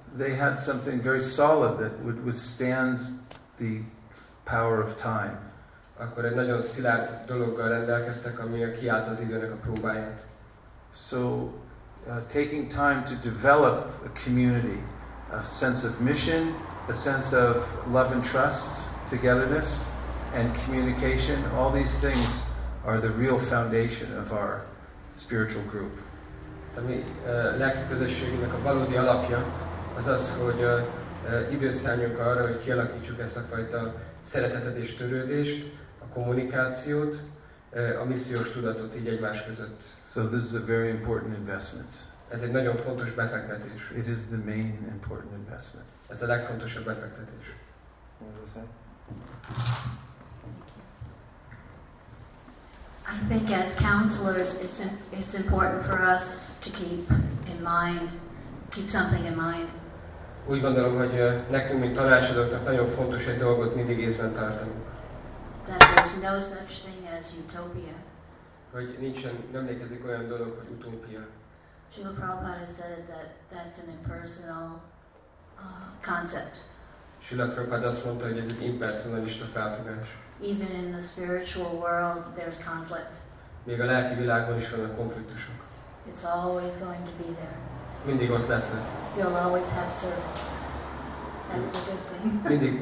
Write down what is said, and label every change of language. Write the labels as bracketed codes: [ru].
[en] They had something very solid that would withstand the power of time. [hu] Akkor egy nagyon szilárd dologgal rendelkeztek, ami kiállt az időnek a próbáját. [en] So taking time to develop a community, a sense of mission, a sense of love and trust, togetherness, and communication, all these things are the real foundation of our spiritual group. [hu] A mi lelki közösségünknek a valódi alapja az az, hogy időt szálljunk arra, hogy kialakítsuk ezt a fajta szeretetet és törődést, a kommunikációt, a missziós tudatot így egymás között. [en] So this is a very important investment. [hu] Ez egy nagyon fontos befektetés. [en] It is the main important investment. [hu] Ez a legfontosabb befektetés. [en] I think as counselors, it's important for us to keep something in mind. [hu] Úgy gondolom, hogy nekünk, mint tanácsadóknak nagyon fontos egy dolgot mindig észben tartani. [en] That there's no such thing as utopia. [hu] Hogy nincsen, nem létezik olyan dolog, hogy utópia. [en] Srila Prabhupada said that that's an impersonal concept. [hu] Srila Prabhupada azt mondta, hogy ez egy impersonalista felfogás. [en] Even in the spiritual world, there's conflict. [hu] Még a lelki világban is vannak konfliktusok. [en] It's always going to be there. [hu] Mindig ott lesznek. [en] You'll always have service. That's a good thing.